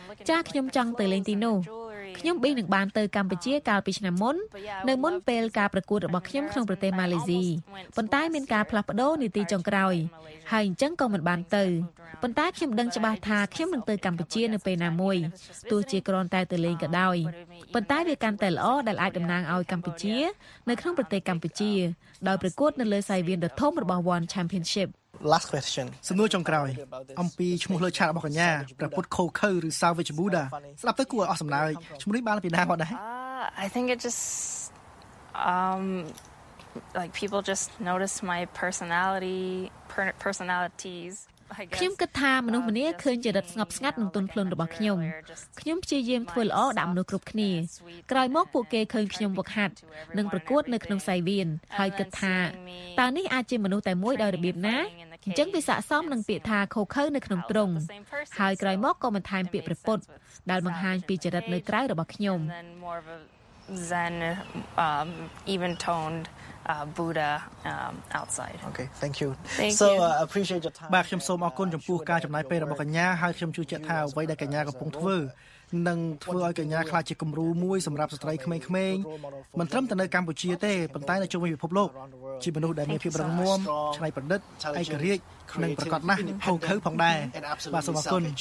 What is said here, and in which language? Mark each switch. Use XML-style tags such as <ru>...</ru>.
<km>ចាខ្ញុំចង់ទៅលេងទីនោះខ្ញុំបីនឹងបានទៅកម្ពុជាកាលពីឆ្នាំមុននៅមុនពេលការប្រកួតរបស់ខ្ញុំក្នុងប្រទេសម៉ាឡេស៊ីប៉ុន្តែមានការផ្លាស់ប្ដូរនីតិចុងក្រោយហើយអញ្ចឹងក៏មិនបានទៅប៉ុន្តែខ្ញុំដឹងច្បាស់ថាខ្ញុំនឹងទៅកម្ពុជានៅពេលណាមួយទោះជាគ្រាន់តែទៅលេងក៏ដោយប៉ុន្តែវាកាន់តែល្អដែលអាចតំណាងឲ្យកម្ពុជានៅក្នុងប្រទេសកម្ពុជាដោយប្រកួតនៅលើសៃវៀនដ៏ធំរបស់ One Championship</km> <en>Last question</en> <km>សំណួរចុងក្រោយអំពីឈ្មោះលើឆាករបស់កញ្ញាព្រះពុទ្ធខូខើឬសាវេជ្ជបូដាស្ដាប់ទៅគួរឲ្យអស់សំណើចឈ្មោះនេះបានពីណាមកដែរ</km> <en>I think it just like people just notice my personalities</en> <km>ខ្ញុំគិតថាមនុស្សម្នាឃើញចរិតស្ងប់ស្ងាត់និងទន់ភ្លន់របស់ខ្ញុំខ្ញុំព្យាយាមធ្វើល្អដាក់មនុស្សគ្រប់គ្នាក្រោយមកពួកគេឃើញខ្ញុំវឹកហាត់និងប្រកួតនៅក្នុងសៃវៀនហើយគិតថាតើនេះអាចជាមនុស្សតែមួយដោយរបៀបណាអញ្ចឹងវាស័ក្តិសមនឹងពាក្យថាខូខើនៅក្នុងទ្រង់ហើយក្រោយមកក៏បន្ថែមពាក្យប្រពុតដែលបង្ហាញពីចរិតនៅក្រៅរបស់ខ្ញុំ</km> <en>Zen even toned Buddha outside. Okay, thank you. Thank so you. Appreciate your time.</en> <km>បាទខ្ញុំសូមអរគុណចំពោះការចំណាយពេលរបស់កញ្ញាហើយខ្ញុំជឿជាក់ថាអ្វីដែលកញ្ញាកំពុងធ្វើនឹងធ្វើឲ្យកញ្ញាខ្លាចជាគំរូមួយសម្រាប់ស្ត្រីក្មេងៗមិនត្រឹមតែនៅកម្ពុជាទេប៉ុន្តែនៅជុំវិញពិភពលោកជាមនុស្សដែលមានភាពរឹងមាំច្នៃប្រឌិតឯករាជ្យនិងប្រកបណាស់ហោខើផងដែរបាទសូមអរគុណ</km>